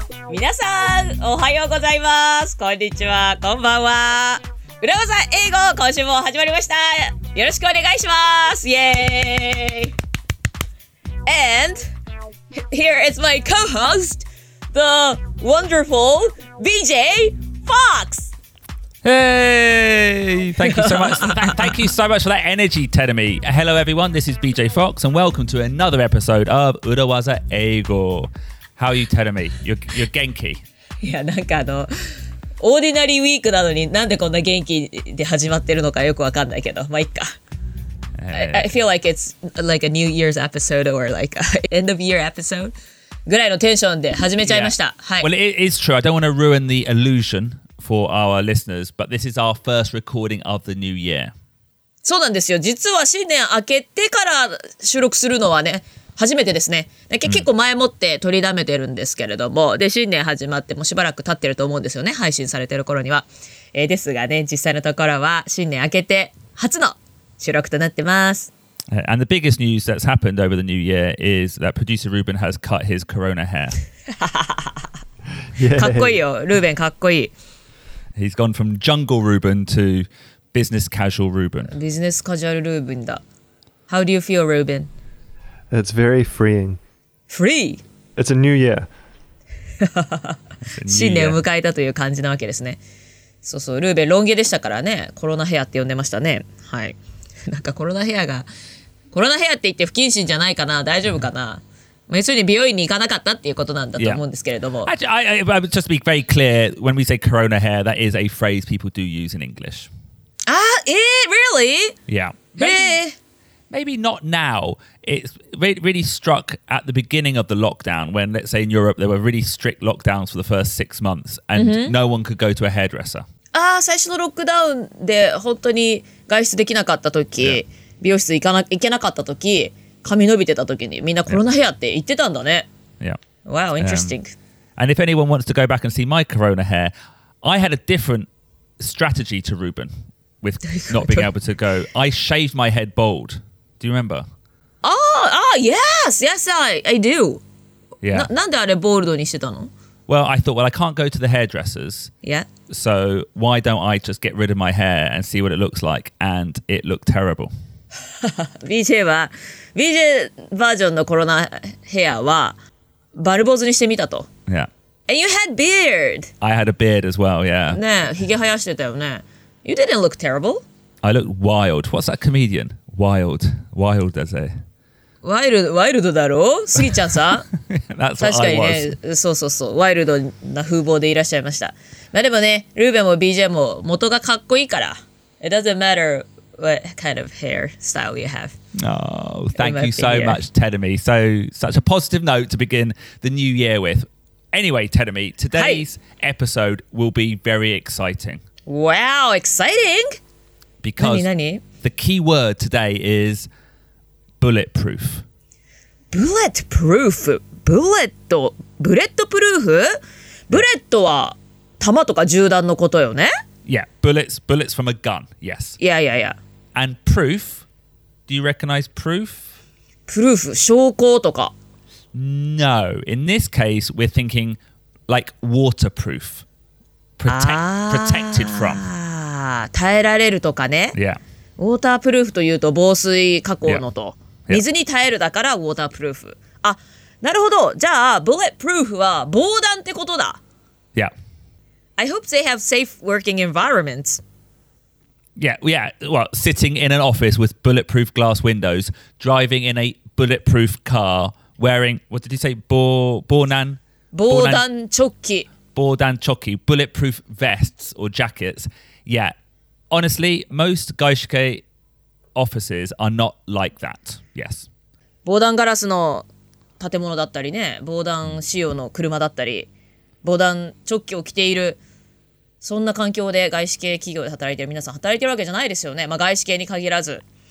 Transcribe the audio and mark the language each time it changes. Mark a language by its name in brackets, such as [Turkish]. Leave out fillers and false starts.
[Japanese] 皆さん、おはようございます、こんにちは、こんばんは。裏技英語、今週も始まりました。よろしくお願いします。イエーイ。 [English] And here is my co-host, the wonderful BJ Fox. Hey, thank you so much. Thank you so much for that energy, Tedemi. Hello everyone, this is BJ Fox and welcome to another episode of Urawaza Eigo. How are you, Tedemi? You're genki. [Japanese] Yeah, なんかあの、オーディナリーウィークなのになんでこんな元気で始まってるのかよくわかんないけど、まあいっか。 [English] I feel like it's like a New Year's episode or like an end of year episode [Japanese] ぐらいのテンションで始めちゃいました。 [English] Yeah. Hi. Well, it is true. I don't want to ruin the illusion for our listeners, but this is our first recording of the new year. [Japanese] そうなんですよ。実は新年明けてから収録するのはね、初めてですね。結構前もって取りだめてるんですけれども、で、新年始まってもしばらく経ってると思うんですよね、配信されてる頃には。ですがね、実際のところは新年明けて初の収録となってます。 [English] And the biggest news that's happened over the new year is that producer Ruben has cut his corona hair. [Japanese] かっこいいよ、ルーベンかっこいい。 [English] He's gone from jungle Ruben to business casual Ruben. Business casual Ruben だ。How do you feel, Ruben? It's very freeing. Free? It's a new year. [Japanese] 新年を迎えたという感じなわけですね。そうそう、ルーベンロン毛でしたからね、コロナヘアって呼んでましたね。はい。なんかコロナヘアが、コロナヘアって言って不謹慎じゃないかな、大丈夫かな。要するに美容院に行かなかったっていうことなんだと思うんですけれども。 [English] Yeah. Actually, I would just be very clear, when we say corona hair, that is a phrase people do use in English. Ah, really? Yeah. Maybe not now. It's really struck at the beginning of the lockdown when, let's say in Europe, there were really strict lockdowns for the first 6 months and、mm-hmm. no one could go to a hairdresser. [Japanese] Ah, 最初のロックダウンで本当に外出できなかった時、yeah. 美容室行けなかった時、髪伸びてた時にみんなコロナヘアって言ってたんだね。 [English] Yeah. Wow, interesting.、 And if anyone wants to go back and see my corona hair, I had a different strategy to Ruben with not being able to go. I shaved my head bald. Do you remember? Oh, yes, I do. Yeah. [Japanese] なんであれボールドにしてたの? [English] Well, I thought, I can't go to the hairdressers. Yeah. So why don't I just get rid of my hair and see what it looks like? And it looked terrible. [Japanese] BJ は、BJ バージョンのコロナヘアはバルボーズにしてみたと。 [English] Yeah. And you had beard. I had a beard as well, yeah. [Japanese] ねえ、ひげ生やしてたよね。 [English] You didn't look terrible. I looked wild. What's that comedian? Wild as a [Japanese] wild だろ、スギちゃんさん。 [English] That's what [Japanese] 確かにね、そうそうそう、ワイルドな風貌でいらっしゃいました。まあでもね、ルーベンも BJ も元がかっこいいから。 [English] It doesn't matter what kind of hairstyle you have. Oh, thank you so much, Tedemi. So such a positive note to begin the new year with. Anyway, Tedemi, today's、はい、episode will be very exciting. Wow, exciting! Because 何The key word today is bulletproof. Bulletproof? Bulletproof? [Japanese] Bullet は弾とか銃弾のことよね? [English] Yeah, bullets from a gun, yes. Yeah. And proof, do you recognize proof? [Japanese] Proof, 証拠とか。 [English] No, in this case, we're thinking like waterproof. Protected from. [Japanese] 耐えられるとかね。 [English] Yeah. [Japanese] ウォータープルーフというと防水加工のと、yeah. 水に耐えるだからウォータープルーフ。あ、なるほど。じゃあ、ブレットプルーフは防弾ってことだ。 [English] Yeah. I hope they have safe working environments. Yeah, well, sitting in an office with bulletproof glass windows, driving in a bulletproof car, wearing, what did you say, [Japanese] 防弾チョッキ。 [English] 防弾チョッキ、bulletproof vests or jackets. Yeah. Honestly, most gaishike offices are not like that. Yes. [Japanese] 防弾ガラスの建物だったりね、防弾仕様の車だったり、防弾チョッキを着ている、そんな環境で外資系企業で働いている皆さん働いているわけじゃないですよね。まあ外資系に限らず。